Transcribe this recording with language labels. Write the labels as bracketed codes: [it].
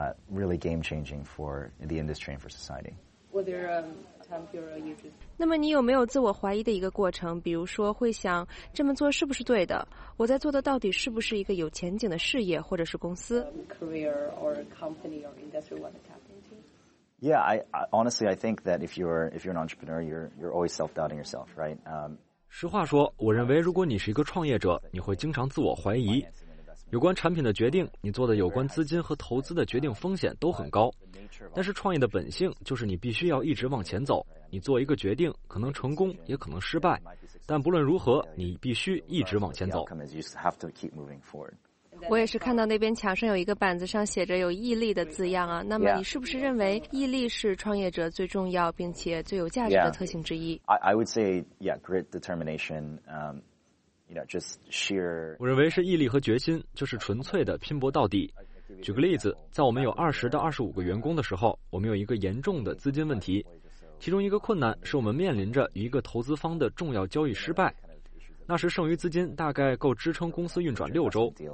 [en] Really game-changing for the industry and for society. [zh] 那么你有没有自我怀疑的一个过程？比如说会想这么做是不是对的？我在做的到底是不是一个有前景的事业或者是公司 [en] ？Career or company or industry want to tap into? Yeah, I honestly I think that if you're an entrepreneur, you're always self-doubting yourself, right? [zh] 实话说，我认为如果你是一个创业者，你会经常自我怀疑。有关产品的决定，你做的有关资金和投资的决定风险都很高，但是创业的本性就是你必须要一直往前走，你做一个决定可能成功也可能失败，但不论如何你必须一直往前走。我也是看到那边墙上有一个板子上写着有毅力的字样啊，那么你是不是认为毅力是创业者最重要并且最有价值的特性之一？ [en] I would say yeah, grit, determination, just sheer [zh] 我认为是毅力和决心，就是纯粹的拼搏到底。举个例子，在我们有20到25个员工的时候，我们有一个严重的资金问题，其中一个困难是我们面临着与一个投资方的重要交易失败，那时剩余资金大概够支撑公司运转6周。